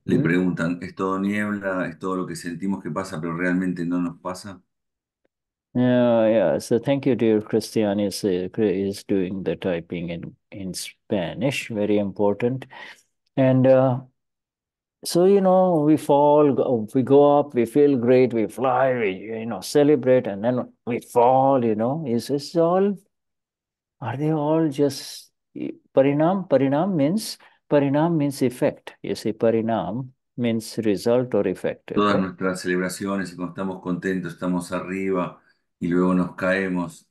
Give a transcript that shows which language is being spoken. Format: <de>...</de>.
<es>Le preguntan, ¿es todo niebla? ¿Es todo lo que sentimos que pasa, pero realmente no nos pasa?</es> <en>Yeah, so thank you, dear Cristian, is doing the typing in Spanish, very important. And so, you know, we fall, we go up, we feel great, we fly, we, you know, celebrate, and then we fall, you know. Are they all just parinam? Parinam means effect. You see, parinam means result or effect.</en> <es>Todas okay? Nuestras celebraciones, y cuando estamos contentos, estamos arriba, y luego nos caemos.</es>